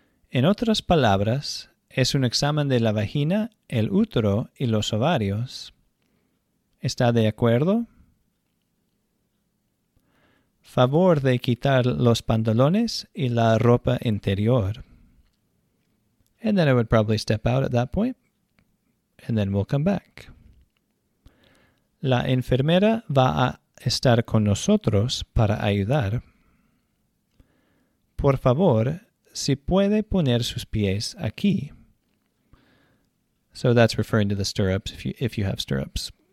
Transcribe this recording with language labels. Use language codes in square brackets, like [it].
[es] En otras palabras, es un examen de la vagina, el útero y los ovarios. ¿Está de acuerdo? Favor de quitar los pantalones y la ropa interior. [en] And then I would probably step out at that point. And then we'll come back. [es] La enfermera va a estar con nosotros para ayudar. Por favor, si puede poner sus pies aquí. [en] So that's referring to the stirrups, if you have stirrups.